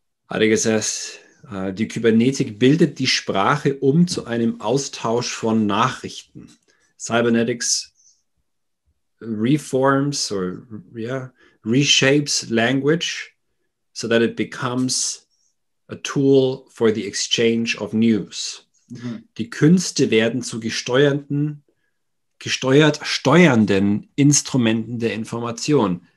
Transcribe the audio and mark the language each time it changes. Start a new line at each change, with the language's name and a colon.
English: Heidegger says,
German: die Kybernetik bildet die Sprache zu einem Austausch von Nachrichten.
English: Cybernetics reforms reshapes language so that it becomes a tool for the exchange of news.
German: Die Künste werden zu steuernden Instrumenten der Information.